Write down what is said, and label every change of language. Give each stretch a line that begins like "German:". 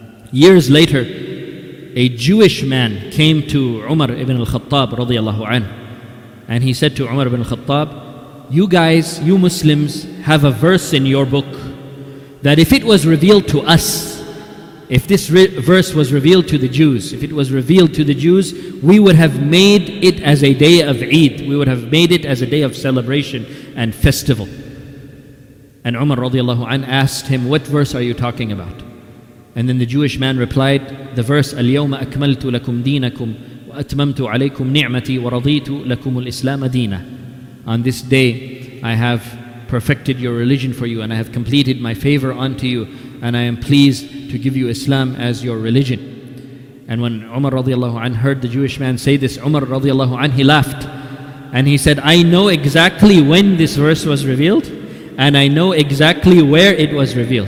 English: Years later, a Jewish man came to Umar ibn al-Khattab radiyallahu anhu, and he said to Umar ibn al-Khattab, you guys, you Muslims, have a verse in your book that if it was revealed to us, if this verse was revealed to the Jews, if it was revealed to the Jews, we would have made it as a day of Eid. We would have made it as a day of celebration and festival. And Umar radiyallahu anhu asked him, what verse are you talking about? And then the Jewish man replied, the verse,
Arabic: اليوم أكملت لكم دينكم وأتممت عليكم نعمتي ورضيت لكم الإسلام دينا.
English: On this day, I have perfected your religion for you, and I have completed my favor unto you, and I am pleased to give you Islam as your religion. And when Umar radiallahu anhu heard the Jewish man say this, Umar radiallahu anhu, he laughed. And he said, I know exactly when this verse was revealed, and I know exactly where it was revealed.